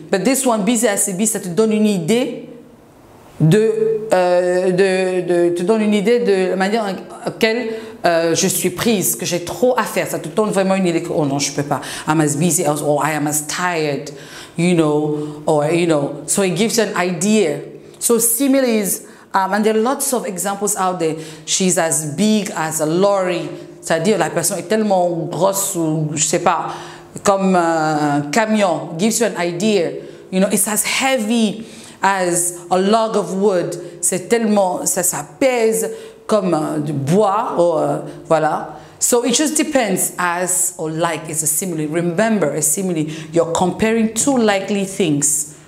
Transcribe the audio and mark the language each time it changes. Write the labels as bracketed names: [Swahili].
[English] But this one, busy as a bee, [French] ça te donne une idée de te donne une idée de la manière à laquelle je suis prise, que j'ai trop à faire. Ça te donne vraiment une idée que, oh non, je peux pas. [English] I'm as busy as, or I am as tired, you know, or, you know. So it gives you an idea. So similes, and there are lots of examples out there. She's as big as a lorry. [French] C'est-à-dire, la personne est tellement grosse ou, je sais pas, comme un camion. [English] Gives you an idea. You know, it's as heavy as a log of wood. [French] C'est tellement, ça pèse comme du bois. Or, voilà. [English] So it just depends as or like. It's a simile. Remember, a simile. You're comparing two likely things.